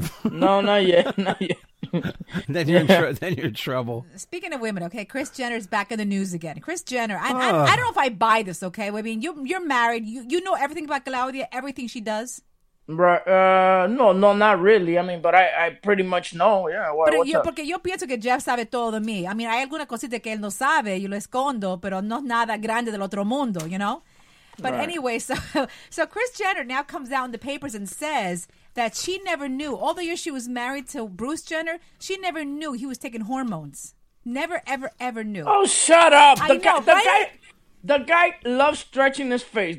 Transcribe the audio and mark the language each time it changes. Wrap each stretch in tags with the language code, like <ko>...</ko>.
<en>No, not yet. Not yet. then you're in trouble. Speaking of women, okay, Kris Jenner's back in the news again. Kris Jenner, I don't know if I buy this, okay? I mean, you're married. You know everything about Claudia, everything she does. Right. No, not really. I mean, but I pretty much know. Yeah.</en> <es>Pero yo, porque yo pienso que Jeff sabe todo de mí.</es> <en>I mean,</en> <es>hay alguna cosita que él no sabe, yo lo escondo, pero no nada grande del otro mundo,</es> <en>you know? But right. Anyway, so Kris Jenner now comes out in the papers and says that she never knew, all the years she was married to Bruce Jenner, she never knew he was taking hormones. Never, ever, ever knew. Oh, shut up. The guy loves stretching his face.</en>